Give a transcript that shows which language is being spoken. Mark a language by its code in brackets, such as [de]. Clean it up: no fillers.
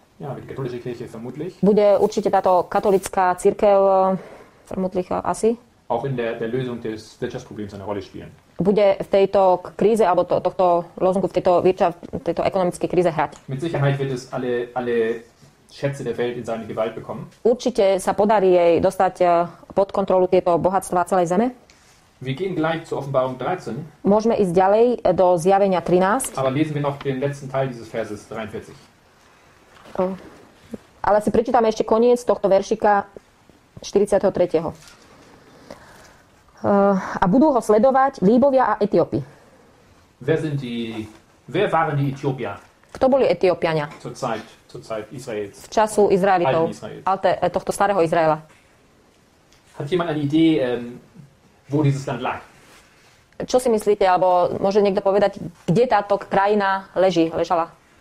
[de] Ja, die katholische Kirche vermutlich. [sk] Bude určite táto katolická cirkev [de] vermutlich [sk] asi. [de] Auch in der Lösung des Wirtschaftsproblems eine Rolle spielen. [sk] Bude v tejto kríze alebo tohto lozungu v tejto tejto ekonomickej kríze hrať. [de] Mit Sicherheit wird es alle Schätze der Welt in seine Gewalt bekommen. [sk] Určite sa podarí jej dostať pod kontrolu tieto bohatstvá celej zeme. [de] Wir gehen gleich zur Offenbarung 13. [sk] Môžeme ísť ďalej do Zjavenia 13. [de] Aber lesen wir noch den letzten Teil dieses Verses 43. [sk] Ale si prečítame ešte koniec tohto veršika 43. A budú ho sledovať Líbovia a Etiópi. [de] Wer waren die Äthiopier? [sk] Kto boli Etiópiania? [de] Zur Zeit Israels. [sk] V času Izraelitov. Ale tohto starého Izraela. [de] Hat jemand eine Idee, wo dieses Land lag? [sk] Čo si myslíte, alebo môže niekto povedať, kde táto krajina leží, ležala?